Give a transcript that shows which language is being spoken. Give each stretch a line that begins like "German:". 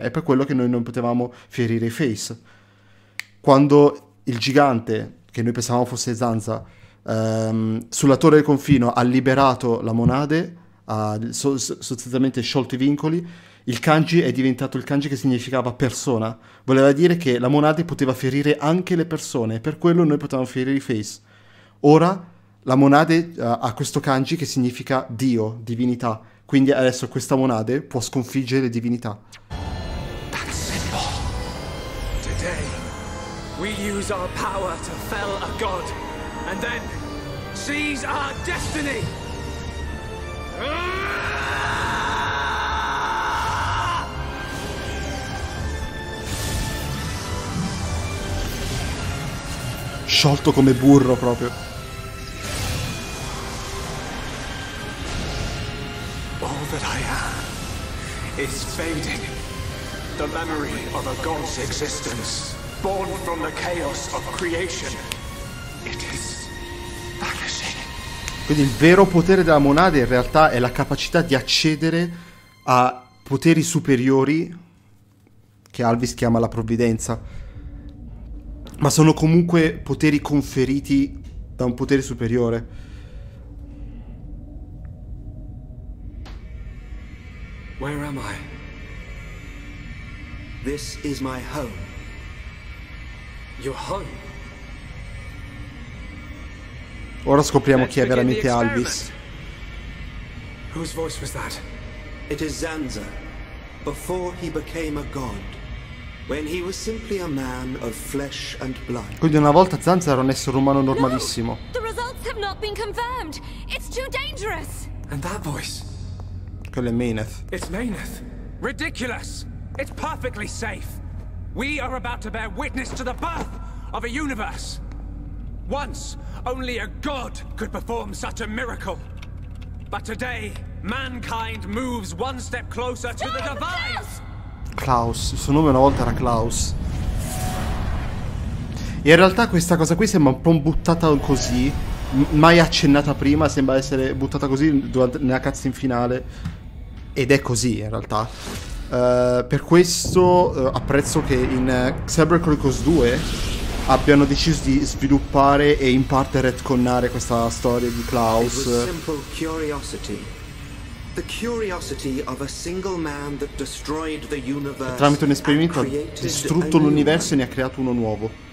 Italian: È per quello che noi non potevamo ferire i Face. Quando il gigante, che noi pensavamo fosse Xanza, sulla torre del confino ha liberato la monade, ha sostanzialmente sciolto i vincoli, il kanji è diventato il kanji che significava persona. Voleva dire che la monade poteva ferire anche le persone, per quello noi potevamo ferire i Face. Ora la monade ha questo kanji che significa Dio, divinità. Quindi adesso questa monade può sconfiggere le divinità.
English: We use our power to fell a god, and then seize our destiny!
Italian: Sciolto come burro proprio.
English: All that I am is fading. The memory of a god's existence. Born from the chaos of creation, it is vanishing.
Italian: Quindi il vero potere della monade in realtà è la capacità di accedere a poteri superiori che Alvis chiama la provvidenza, ma sono comunque poteri conferiti da un potere superiore.
English: Where am I? This is my home. Your home.
Italian: Ora scopriamo chi è veramente Alvis.
English: Whose voice was that? It is Xanza. Before he became a god, when he was simply a man of flesh and blood.
Italian: Quindi una volta Xanza era un essere umano normalissimo.
English: No, the results have not been confirmed. It's too dangerous. And that voice?
Italian: Quello è Maineth.
English: It's Maineth. Ridiculous. It's perfectly safe. We are about to bear witness to the birth of a universe. Once, only a god could perform such a miracle. But today, mankind moves one step closer to the divine.
Italian: Klaus, il suo nome una volta era Klaus. In realtà questa cosa qui sembra un po' buttata così, mai accennata prima, sembra essere buttata così durante, nella cutscene finale. Ed è così in realtà. Per questo apprezzo che in Xenoblade Chronicles 2 abbiano deciso di sviluppare e in parte retconnare questa storia di Klaus.
English: It was simple curiosity. The curiosity of a single man that destroyed the universe.
Italian: Tramite un esperimento ha distrutto l'universo e ne ha creato uno nuovo.